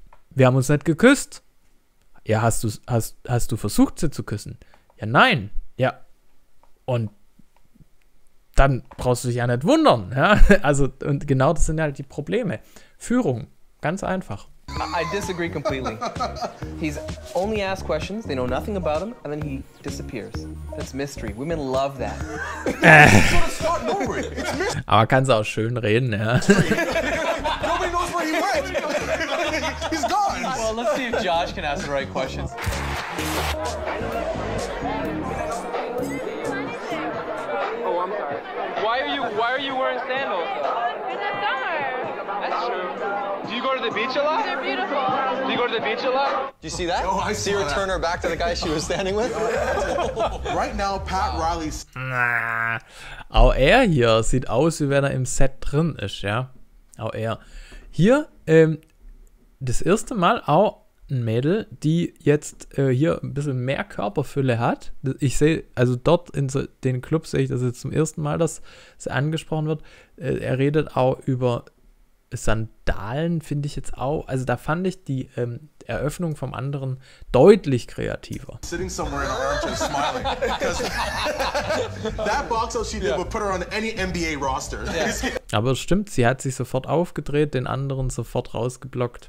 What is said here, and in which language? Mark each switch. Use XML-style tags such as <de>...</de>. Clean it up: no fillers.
<de>Wir haben uns nicht geküsst. Ja, hast du versucht, sie zu küssen? Ja, nein. Ja. Und dann brauchst du dich ja nicht wundern. Ja? Also, und genau das sind halt die Probleme. Führung, ganz einfach.</de> <en>I disagree completely. He's only asked questions, they know nothing about him, and then he disappears. That's mystery. Women love that.</en> <de>Aber kann's auch schön reden, ja.</de> <en>Nobody knows where he went. He's gone. Well, let's see if Josh can ask the right questions. Oh, I'm sorry. Why are you wearing sandals? Do you go to the beach a lot? They're beautiful. Do you go to the beach a lot? Do you see that? Oh, I see her turn her back to the guy she was standing with. Right now, Pat Riley's... Nah.</en> <de>Auch er hier sieht aus, wie wenn er im Set drin ist, ja. Auch er. Hier, das erste Mal auch ein Mädel, die jetzt hier ein bisschen mehr Körperfülle hat. Ich sehe, also dort in so, den Club sehe ich das jetzt zum ersten Mal, dass sie angesprochen wird. Er redet auch über... Sandalen finde ich jetzt auch, also da fand ich die Eröffnung vom anderen deutlich kreativer.</de> <en>Sitting somewhere in an armchair smiling. That box out she did would put her on any NBA roster. Yeah.</en> <de>Aber es stimmt, sie hat sich sofort aufgedreht, den anderen sofort rausgeblockt.</de>